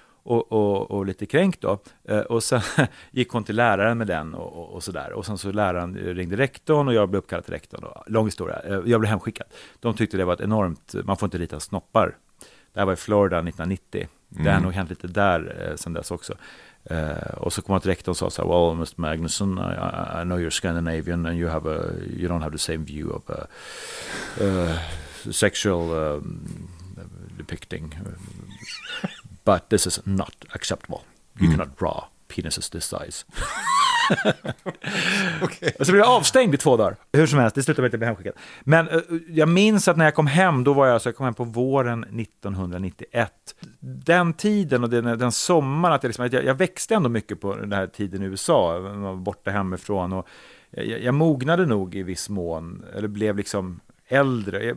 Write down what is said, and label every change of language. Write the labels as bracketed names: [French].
[Swedish] Och lite kränkt då. Och sen gick hon till läraren med den och sådär. Och sen så läraren ringde rektorn och jag blev uppkallad till rektorn. Lång historia. Jag blev hemskickad. De tyckte det var ett enormt... Man får inte rita snoppar. Det här var i Florida 1990. Mm. Det har nog hänt lite där sen dess också. Och så kom jag till rektorn och sa såhär, [English] well, Mr. Magnusson, I know you're Scandinavian and you don't have the same view of sexual depicting... But this is not acceptable. You cannot draw penises this size. [Swedish] Okay. Och så blev jag avstängd i 2 dagar. Hur som helst, det slutade med att jag blev hemskickad. Men jag minns att när jag kom hem, då var jag kom hem på våren 1991. Den tiden och den sommaren, att jag växte ändå mycket på den här tiden i USA. Jag var borta hemifrån och jag mognade nog i viss mån. Eller blev liksom... äldre.